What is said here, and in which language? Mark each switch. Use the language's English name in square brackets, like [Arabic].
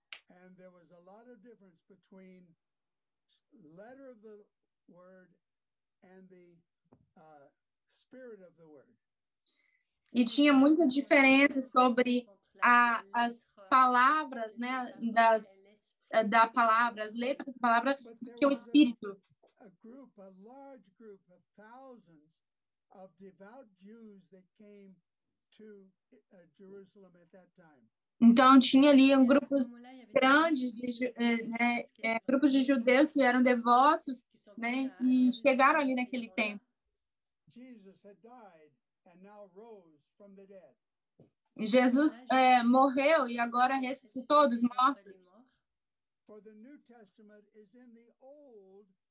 [English] And there was a lot of difference between letter of the word and the spirit of the word. [Portuguese] E tinha muita diferença sobre as palavras, né, da palavra, as letras da palavra, que o espírito. [English] A large group of thousands of devout Jews that came to Jerusalem at that time. [Portuguese] Então tinha ali um grupo grande de grupos de judeus que eram devotos, né, e chegaram ali naquele tempo. [English] Jesus had died and now rose from the dead. [Portuguese] Jesus morreu e agora ressuscitou dos mortos. [English] For the New Testament is in the old.